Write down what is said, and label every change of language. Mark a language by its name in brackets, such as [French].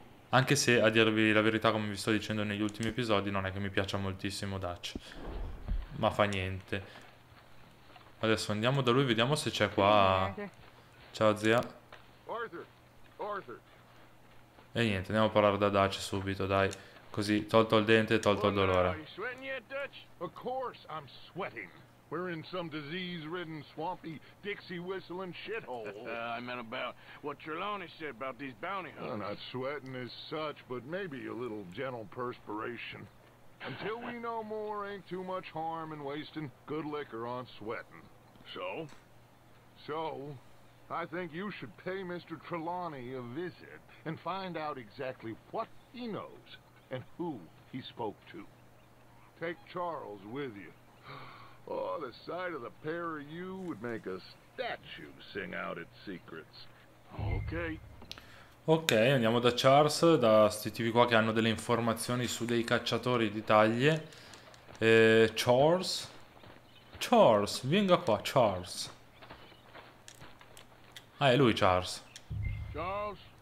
[Italian] Anche se, a dirvi la verità, come vi sto dicendo negli ultimi episodi, non è che mi piaccia moltissimo Dutch. Ma fa niente. Adesso andiamo da lui, vediamo se c'è qua. Ciao zia. Arthur. E niente, andiamo a parlare da Dutch subito, dai. Così, tolto il dente e tolto il dolore. [English] Are you sweating yet, Dutch? Of course I'm sweating. We're in some disease-ridden, swampy, Dixie-whistling shithole. I meant about what Trelawney said about these bounty hunters. I'm not sweating as such, but maybe a little gentle perspiration. Until we know more, ain't too much harm in wasting good liquor on sweating. So? So... I think you should pay Mr. Trelawney a visit and find out exactly what he knows and who he spoke to. Take Charles with you. Oh, the sight of the pair of you would make a statue sing out its secrets. Okay. [Italian] Ok, andiamo da Charles, da sti tipi qua che hanno delle informazioni su dei cacciatori di taglie. Charles, venga qua, Charles. Ah, è lui, Charles. Charles?